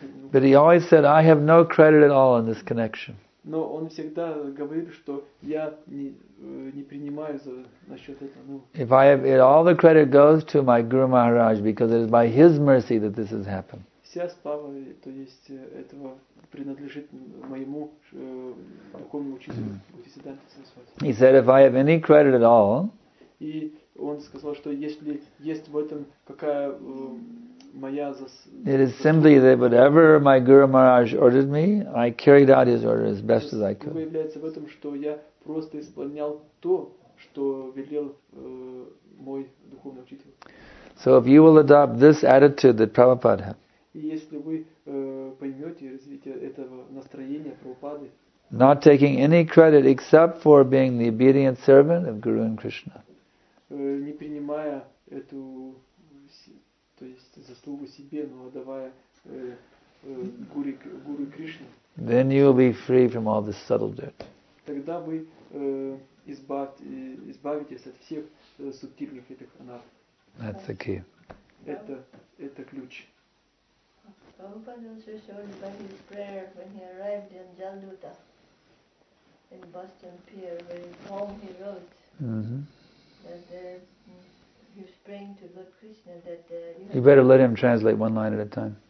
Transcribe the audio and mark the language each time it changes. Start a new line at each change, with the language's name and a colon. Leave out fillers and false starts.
English: But he always said, I have no credit at all in this connection.
Russian: Но он всегда говорит, что я не принимаю за насчет этого. Ну.
English: If I have it, all the credit goes to my Guru Maharaj because it is by his mercy that this has happened.
Russian: Вся слава, то есть этого принадлежит моему духовному учителю, Бхактисиддханте Сарасвати.
English: He said, if I have any credit at all.
Russian: И он сказал, что если есть в этом какая
English: It is simply that whatever my Guru Maharaj ordered me, I carried out his order as best as I could.
Russian: Это является в этом, что я просто исполнял то, что велел мой духовный учитель.
English: So if you will adopt this attitude that Prabhupada had,
Russian: если вы поймете развитие этого настроения Прабхупады,
English: not taking any credit except for being the obedient servant of Guru and Krishna,
Russian: не принимая эту То есть заслугу себе, но отдавая гуру Кришне.
English: Then you will be free from all this subtle dirt.
Russian: Тогда вы избавитесь от всех субтильных этих анар.
English: That's the key.
Russian: Это ключ.
English: Prabhupada also showed by his prayer when he arrived in Jalduta, in Boston Pier, where poem he wrote. He was praying to Lord Krishna that you better let him translate one line at a time.